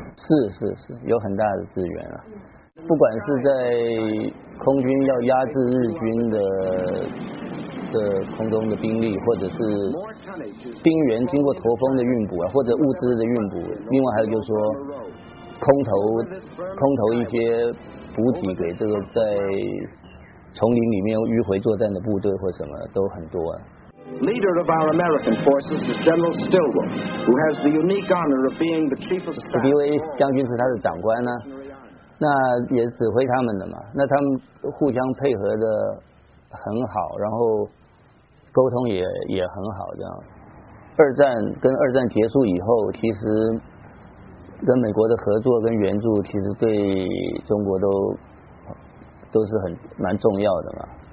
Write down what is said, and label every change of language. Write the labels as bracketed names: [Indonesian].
[Chinese] 是是是，有很大的支援啊。不管是在空军要压制日军的空中的兵力，或者是兵员经过驼峰的运补啊，或者物资的运补，另外还有就是说空投一些补给给这个在丛林里面迂回作战的部队或什么都很多啊。 [English] Leader of our American forces is General Stilwell, who has the unique honor of being the chief of staff. [Chinese] 史迪威将军是他的长官呢、啊，那也指挥他们的嘛。那他们互相配合的很好，然后沟通也很好这样。二战结束以后，其实跟美国的合作跟援助，其实对中国都是很蛮重要的嘛。